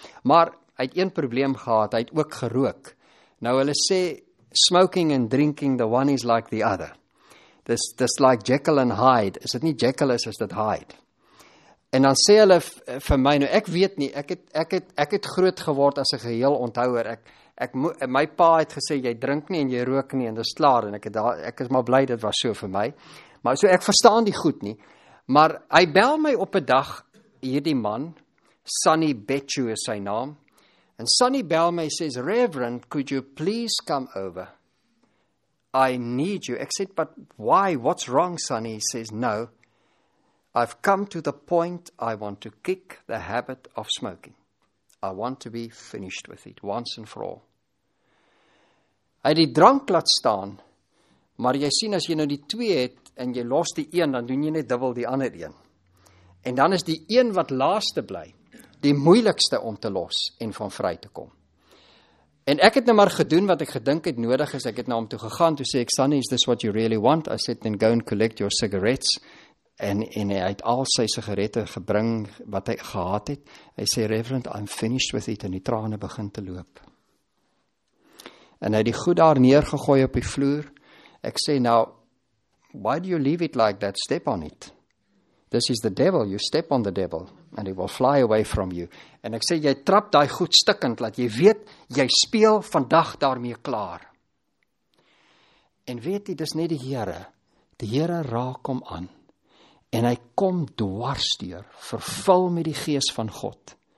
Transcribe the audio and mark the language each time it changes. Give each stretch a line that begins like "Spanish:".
Afrikaans: Maar hy het een probleem gehad, hy het ook gerook. Nou hulle sê,
English: smoking and drinking, the one is like the other. This like Jekyll and Hyde.
Afrikaans: Is dit nie Jekyll is dit Hyde? En dan sê hulle vir my, nou ek weet nie, ek het groot geword as 'n geheel onthouer. My pa het gesê, jy drink nie en jy rook nie en dis klaar. En ek is maar bly, dit was so vir my. Maar so ek verstaan die goed nie. Maar hy bel my op 'n dag, hierdie man, Sunny Betjou is sy naam, en Sunny bel my, hy sê, Reverend,
English: could you please come over? I need you.
Afrikaans: Ek sê,
English: but why, what's wrong, Sunny? He says, no, I've come to the point I want to kick the habit of smoking. I want to be finished with it, once and for all.
Afrikaans: Hy die drank laat staan, maar jy sien, as jy nou die twee het, en jy los die een, dan doen jy net dubbel die ander een. En dan is die een wat laaste bly, die moeilikste om te los en van vry te kom. En ek het nou maar gedoen wat ek gedink het nodig is, ek het na hom toe gegaan, toe sê ek, Sunny,
English: is this what you really want? I said, then go and collect your cigarettes.
Afrikaans: En hy het al sy sigarette gebring wat hy gehad het. Hy sê, Reverend,
English: I'm finished with it,
Afrikaans: en die trane begin te loop. En hy het die goed daar neergegooi op die vloer. Ek sê, nou,
English: why do you leave it like that? Step on it. This is the devil. You step on the devil and he will fly away from you.
Afrikaans: En ek sê, jy trap daai goed stikkend, laat jy weet, jy speel vandag daarmee klaar. En weet jy, dis net die Here. Die Here raak hom aan. En hy kom dwarsdeur, vervul met die gees van God.